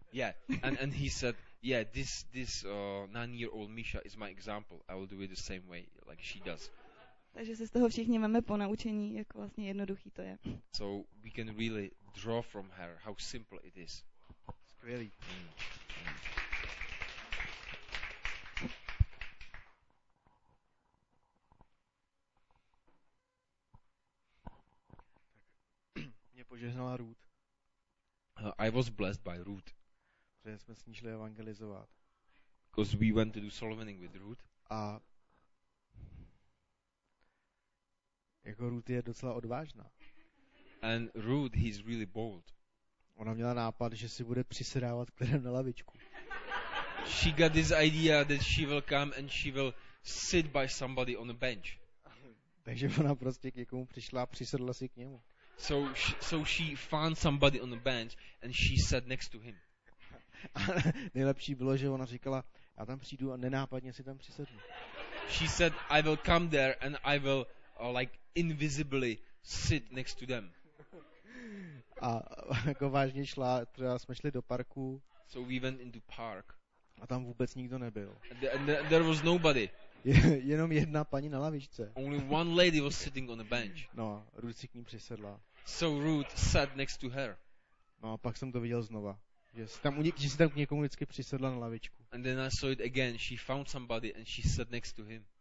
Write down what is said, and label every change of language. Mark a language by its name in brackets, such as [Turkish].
[English] Yeah, and he said, yeah, this 9-year-old Misha is my example. I will do it the same way like she does. [Czech] Takže se z toho všichni máme ponaučení, jak vlastně jednoduchý to je. [English] So we can really draw from her how simple it is. [Czech] Skvělý. Mě požehnala Ruth. [English] I was blessed by Ruth. [Czech] Protože jsme s ní šli evangelizovat. [English] Because we went to do soul winning with Ruth. [Czech] A jako Ruth je docela odvážná. [English] And Ruth, he's really bold. [Czech] Ona měla nápad, že si bude přisedávat klidem na lavičku. [English] She got this idea that she will come and she will sit by somebody on a bench. [Czech] Takže ona prostě k někomu přišla a přisedla si k němu. [English] So she found somebody on a bench and she sat next to him. [Czech] A nejlepší bylo, že ona říkala, já tam přijdu a nenápadně si tam přisednu. [English] She said, I will come there and I will like invisibly sit next to them. [Czech] A jako vážně šla, třeba jsme šli do parku. [English] So we went into park. [Czech] A tam vůbec nikdo nebyl. [English] There was nobody. [Czech] Jenom jedna paní na lavičce. [English] Only one lady was sitting on the bench. [Czech] No, Ruth si k ní přisedla. [English] So Ruth sat next to her. [Czech] No a pak jsem to viděl znova. Že si tam k někomu vždycky přisedla na lavičku. [English] And then I saw it again. She found somebody and she sat next to him.